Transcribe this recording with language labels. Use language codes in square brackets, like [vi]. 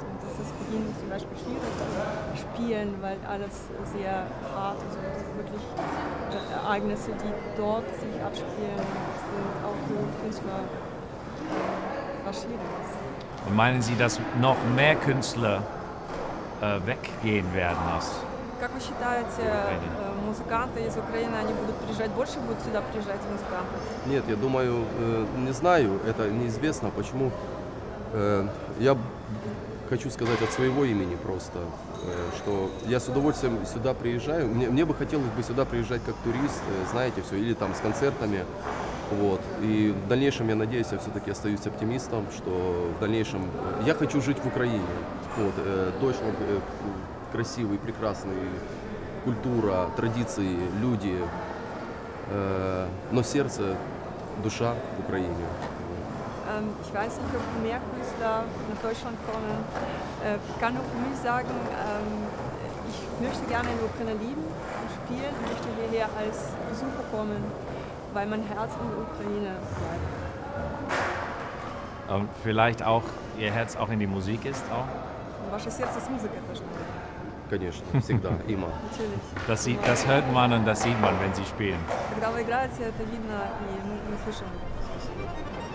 [de] Und das ist für ihn zum Beispiel schwierig zu spielen, weil alles sehr hart ist. Und wirklich Ereignisse, die dort sich abspielen, sind auch für Künstler was Schwieriges. Und meinen Sie, dass noch mehr Künstler weggehen werden aus [ru] Как вы считаете, музыканты из Украины, они будут приезжать больше, будут сюда приезжать музыканты? Нет, я думаю, не знаю, это неизвестно, почему. Я хочу сказать от своего имени просто, что я с удовольствием сюда приезжаю. Мне бы хотелось бы сюда приезжать как турист, знаете, все, или там с концертами. Вот. И в дальнейшем, я надеюсь, я все-таки остаюсь оптимистом, что в дальнейшем... Я хочу жить в Украине. Вот, точно... красивый, прекрасный, культура, традиции, люди, но сердце, душа в Украине. [de] Ich weiß nicht, ob mehr Künstler nach Deutschland kommen. Ich kann nur für mich sagen, ich möchte gerne in der Ukraine leben und spielen und möchte hierher als Besucher kommen, weil mein Herz in der Ukraine bleibt. Und vielleicht auch Ihr Herz auch in die Musik ist? Auch? [ru] Ваше сердце с музыкой тоже. Конечно, всегда, [de] immer. Das hört man und das sieht man, wenn sie spielen. [ru] Когда вы играете, это видно, и мы слышим.